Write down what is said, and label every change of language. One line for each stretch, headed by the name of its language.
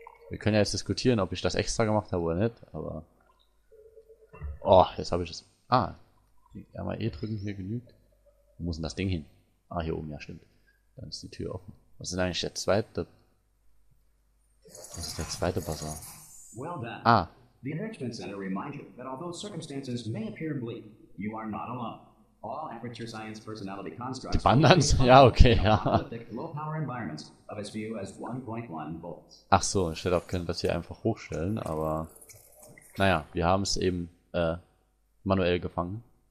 German: Wir können ja jetzt diskutieren, ob ich das extra gemacht habe oder nicht, aber. Oh, jetzt habe ich das. Ah. Einmal E drücken hier genügt. Wo muss denn das Ding hin? Ah, hier oben, ja, stimmt. Dann ist die Tür offen. Was ist eigentlich der zweite? Das ist der zweite Bazaar.
English: Well done. Ah. The Enrichment Center reminds you that although circumstances may appear bleak, you are not alone. All Aperture Science personality constructs Dependence?
German: Ja, okay, ja. Low-power environments of as few as 1.1 volts. Ach so, ich hätte auch können das hier einfach hochstellen, aber naja, wir haben es eben manuell gefangen.